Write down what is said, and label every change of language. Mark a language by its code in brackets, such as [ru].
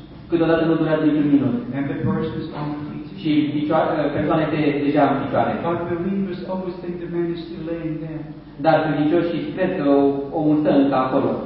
[ro] Câteodată nu durează nici un minut. [en] And the person is on the feet. [ro] Și persoana este deja în picioare. [en] But believers always think the man is still laying there. [ro] Dar credincioșii cred că o mută încă acolo.